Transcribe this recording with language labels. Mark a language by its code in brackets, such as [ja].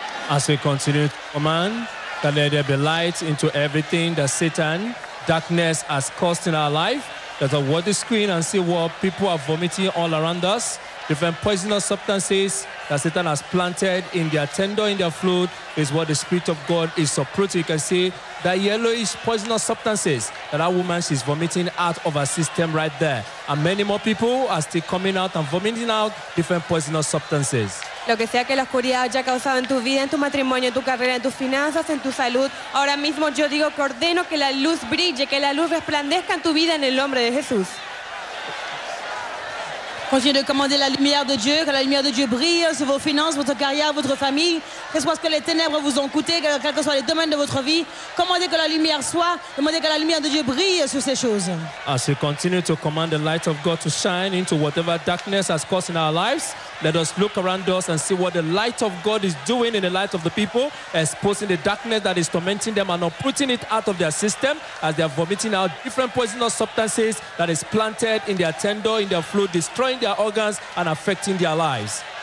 [en] As we continue to command that let there be light into everything that Satan, darkness has caused in our life, that I watch the screen and see what people are vomiting all around us, different poisonous substances that Satan has planted in their tender, in their food, is what the Spirit of God is supporting. You can see that yellowish poisonous substances that our woman is vomiting out of her system right there. And many more people are still coming out and vomiting out different poisonous substances. [es] Lo que sea que la oscuridad haya causado en tu vida, en tu matrimonio, en tu carrera, en tus finanzas, en tu salud, ahora mismo yo digo que ordeno que la luz brille, que la luz resplandezca en tu vida en el nombre de Jesús. [fr] Continue de commander la lumière de Dieu, que la lumière de Dieu brille sur vos finances, votre carrière, votre famille. Que ce soit ce que les ténèbres vous ont coûté, quel que soit les domaines de votre vie. Commandez que la lumière soit, demandez que la lumière de Dieu brille sur ces choses. [en] As we continue to command the light of God to shine into whatever darkness has caused in our lives, let us look around us and see what the light of God is doing in the light of the people, exposing the darkness that is tormenting them and not putting it out of their system as they are vomiting out different poisonous substances that is planted in their tender, in their fluid, destroying their organs and affecting their lives.